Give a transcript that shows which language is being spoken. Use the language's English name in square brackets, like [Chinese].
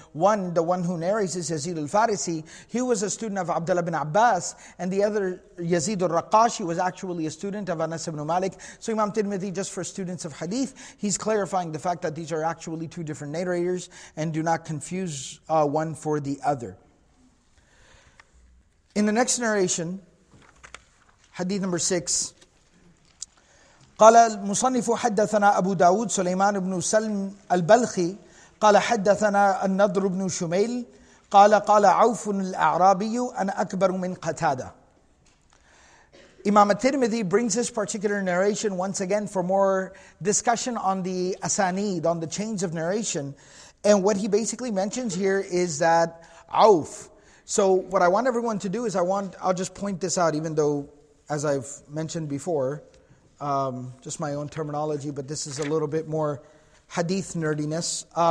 [English] One, the one who narrates, is Yazid al-Farisi. He was a student of Abdullah ibn Abbas. And the other, Yazid al-Raqashi, was actually a student of Anas ibn Malik. So Imam Tirmidhi, just for students of hadith, he's clarifying the fact that these are actually two different narrators, and do not confuse one for the other. In the next narration, hadith number 6, [Arabic] قال المصنف حدثنا أبو داود سليمان بن سلم البلخي قال حدثنا النضر بن شميل قال قال عوف الأعرابي أنا أكبر من قتادة. [English] Imam al-Tirmidhi brings this particular narration once again for more discussion on the asanid, on the change of narration. And what he basically mentions here is that Auf. So what I want everyone to do is I'll just point this out, even though, as I've mentioned before, just my own terminology, but this is a little bit more hadith nerdiness.